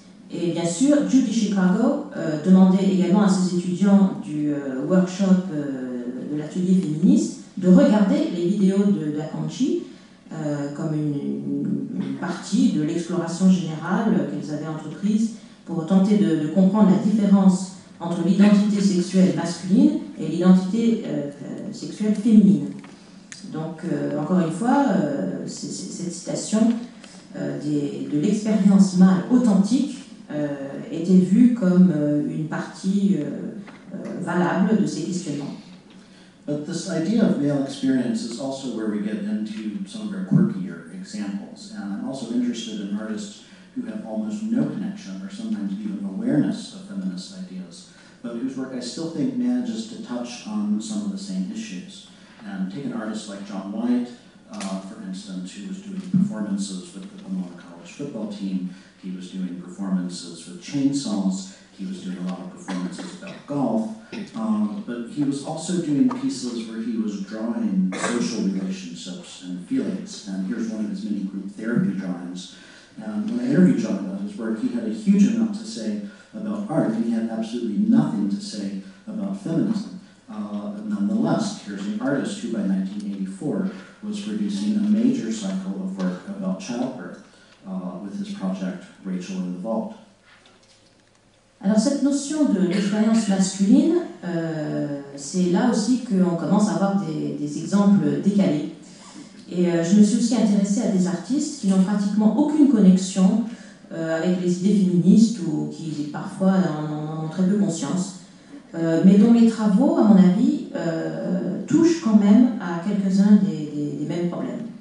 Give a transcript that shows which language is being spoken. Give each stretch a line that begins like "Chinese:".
French: Et bien sûr, Judy Chicago demandait également à ses étudiants du workshop de l'atelier féministe de regarder les vidéos d'Acconci comme une partie de l'exploration générale qu'elles avaient entreprise pour tenter de comprendre la différence entre l'identité sexuelle masculine et l'identité sexuelle féminine. Donc, encore une fois, cette citation de l'expérience mâle authentique était vue comme une partie valable de ces questionnements.
English: But this idea of male experience is also where we get into some of our quirkier examples. And I'm also interested in artists who have almost no connection or sometimes even awareness of feminist ideas, but whose work I still think manages to touch on some of the same issues. And take an artist like John White, for instance, who was doing performances with the Pomona College football team. He was doing performances with chainsaws. He was doing a lot of performances about golf. But he was also doing pieces where he was drawing social relationships and feelings. And here's one of his many group therapy drawings. And when I interviewed John about his work, he had a huge amount to say about art, and he had absolutely nothing to say about feminism. Nonetheless, here's an artist who by 1984 was producing a major cycle of work about childbirth with his project Rachel in the Vault.
French: Alors cette notion d'expérience masculine, c'est là aussi qu'on commence à avoir des exemples décalés. Et je me suis aussi intéressée à des artistes qui n'ont pratiquement aucune connexion avec les idées féministes ou qui parfois en ont très peu conscience, mais dont les travaux, à mon avis, touchent quand même à quelques-uns des mêmes problèmes.